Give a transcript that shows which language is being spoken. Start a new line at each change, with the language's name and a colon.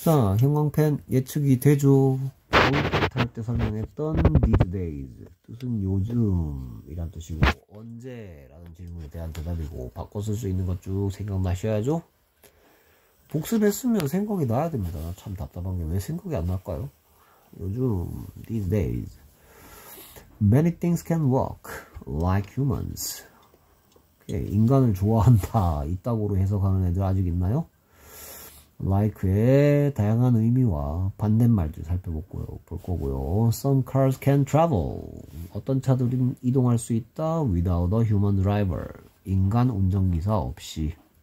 Korean: 자, 형광펜 예측이 되죠. 탈 때 설명했던 these days 뜻은 요즘이란 뜻이고 언제라는 질문에 대한 대답이고 바꿔 쓸 수 있는 것 쭉 생각나셔야죠. 복습했으면 생각이 나야 됩니다. 참 답답한 게 왜 생각이 안 날까요?
English: 요즘 these days many things can work like humans.
Korean: 인간을 좋아한다 있다고로 해석하는 애들 아직 있나요? like의 다양한 의미와 반대말도 살펴볼 거고요.
English: Some cars can travel.
Korean: 어떤 차들은 이동할 수 있다.
English: Without a human driver.
Korean: 인간 운전기사 없이.